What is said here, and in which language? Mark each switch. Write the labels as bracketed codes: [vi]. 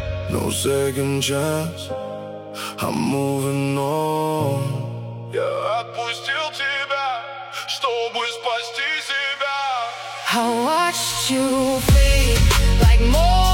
[en] No second chance, I'm moving on. [ru] Я отпустил тебя, чтобы спасти себя. [en] I watched you fade like more.